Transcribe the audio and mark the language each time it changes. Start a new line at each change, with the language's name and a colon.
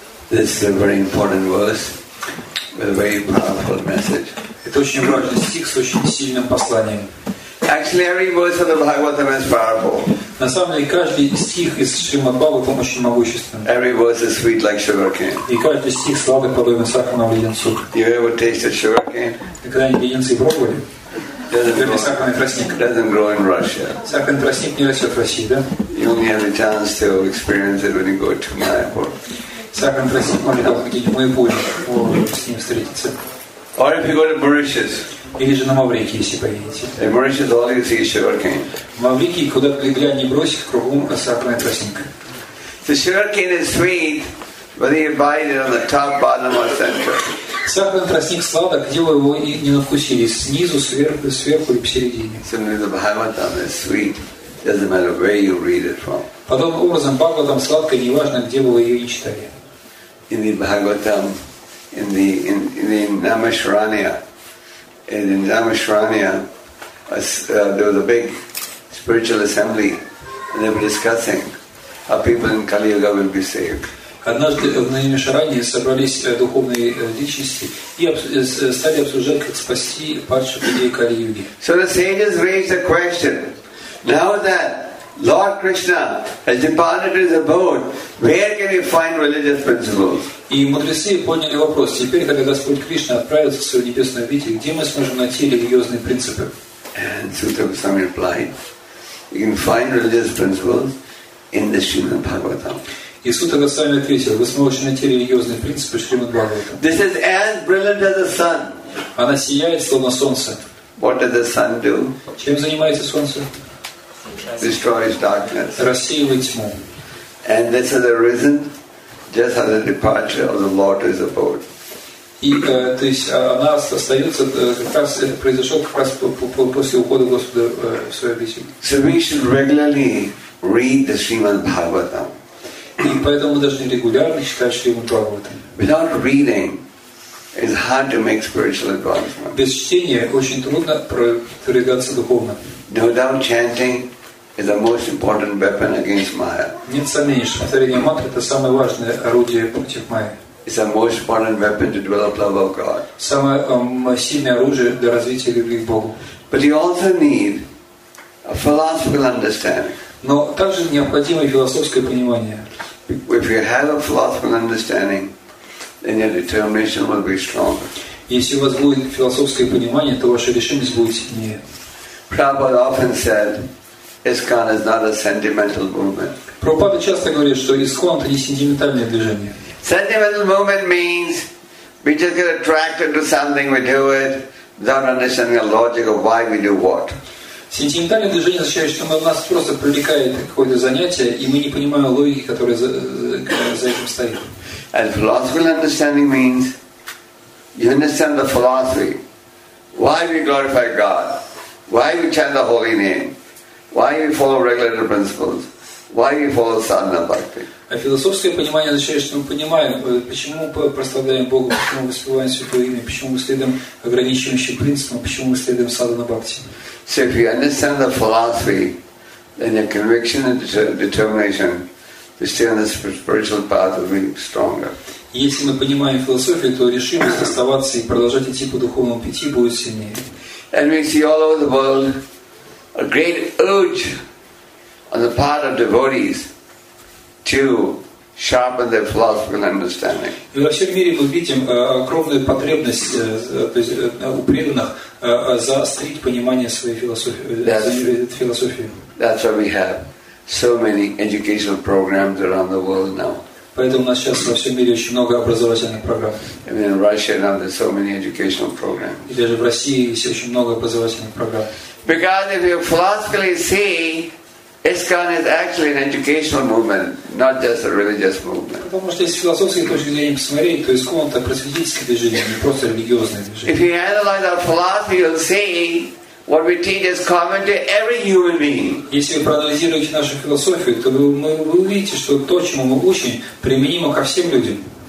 English: This is a very important verse with a very powerful message.
Russian: Это очень важный стих с очень сильным посланием.
English: Actually, every verse of the Bhagavatam is powerful.
Russian: На самом деле каждый стих из Шримад Бхагаватам очень могуществен.
English: Every verse is sweet like sugarcane.
Russian: И каждый стих сладок, подобно сахарному леденцу.
English: You ever tasted sugarcane?
Russian: Ты когда-нибудь леденцы пробовали? Сахарный тростник.
English: Doesn't grow in Russia.
Russian: Сахарный тростник не растет в России, да?
English: You only have a chance to experience it when you go to Mayapur.
Russian: Сахарный тростник может быть где-нибудь в Майпуре, с ним встретиться.
English: Or if you go to Mauritius.
Russian: Или же на Маврикии, если поедете.
English: In Mauritius, all you see is sugarcane.
Russian: В Маврикии, куда бы глянь, не брось, кругом сахарная тростника.
English: The sugarcane is sweet, whether you bite it on the top, bottom or center.
Russian: Сахарный тростник сладок, где вы его не навкусили, снизу, сверху, сверху и посередине.
English: Similarly, the Bhagavatam is sweet. Doesn't matter where you read it from.
Russian: Подобным образом, Бхагаватам сладко, неважно, где вы ее и читали.
English: In the Bhagavatam, in the Namashranya, and in Namashranya, there was a big spiritual assembly, and they were discussing how people in Kali Yuga will be saved.
Russian: Однажды в Намишаране собрались духовные личности и стали обсуждать, как спасти падших людей Кали Юги.
English: So the sages raised a question. Now that Lord Krishna has departed his abode, where can we find religious principles?
Russian: И мудрецы поняли вопрос. Теперь, когда Господь Кришна отправился в свою небесную обитель, где мы сможем найти религиозные принципы?
English: And Sutta Goswami replied, you can find religious principles in the Srimad Bhagavatam.
Russian: И Сута Госвами ответил, вы сможете найти религиозные принципы в Шримад Бхагаватам.
English: This is as brilliant as the sun.
Russian: Она сияет, словно солнце.
English: What does the sun do?
Russian: Чем занимается солнце?
English: Destroys darkness.
Russian: Рассеивает тьму.
English: And this has arisen just as the departure of the Lord is about.
Russian: И то есть она остается как раз это произошло как раз после ухода Господа в свою обитель.
English: So we should regularly read the Srimad Bhagavatam.
Russian: И поэтому мы должны регулярно читать Шримад Бхагаватам.
English: Without reading, it's hard to make spiritual advancement.
Russian: Без чтения очень трудно продвигаться духовно.
English: Without chanting, is the most important weapon against Maya.
Russian: Нет сомнений, что повторение мантры это самое важное орудие против Майи.
English: It's the most important weapon to develop love of God.
Russian: Самое сильное оружие для развития любви к Богу.
English: But you also need a philosophical understanding.
Russian: Но также необходимо философское понимание.
English: If you have a philosophical understanding, then your determination will be stronger.
Russian: Если у вас будет философское понимание, то ваша решимость будет сильнее.
English: Prabhupada often said, ISKCON is not a sentimental movement.
Russian: Прабхупада часто говорит, что ИСККОН это не сентиментальное движение.
English: Sentimental movement means we just get attracted to something, we do it without understanding the logic of why we do what.
Russian: Сентиментальное движение означает, что нас просто привлекает какое-то занятие, и мы не понимаем логики, которая за этим стоит.
English: And philosophical understanding means you understand the philosophy, why we glorify God, why we chant the holy name, why we follow regulative principles, why we follow sadhana bhakti.
Russian: А философское понимание означает, что мы понимаем, почему мы прославляем Бога, почему мы воспеваем Святое Имя, почему мы следуем ограничивающим принципам, почему мы следуем садхана бхакти.
English: So if you understand the philosophy, then your conviction and determination to stay on the spiritual path will be stronger.
Russian: Если мы понимаем философию, то решимость оставаться и продолжать идти по духовному пути будет сильнее.
English: And we see all over the world a great urge on the part of devotees to sharpen their philosophical understanding.
Russian: И во всем мире мы видим огромную потребность, то есть у преданных заострить понимание своей философии.
English: That's why we have so many educational programs around the world now.
Russian: Поэтому у нас сейчас во всем мире очень много образовательных программ.
English: I mean, in Russia now there's so many educational programs.
Russian: И даже в России есть очень много образовательных программ.
English: Because if you philosophically see ISKCON is actually an educational movement, not just a religious movement.
Russian: Потому что если философские точки зрения посмотреть, то ИСККОН это просветительское движение, не просто религиозное движение.
English: If you analyze our philosophy, you'll see what we teach is common to every human being.
Russian: Если вы проанализируете нашу философию, то вы увидите, что то, чему мы учим, применимо ко всем людям.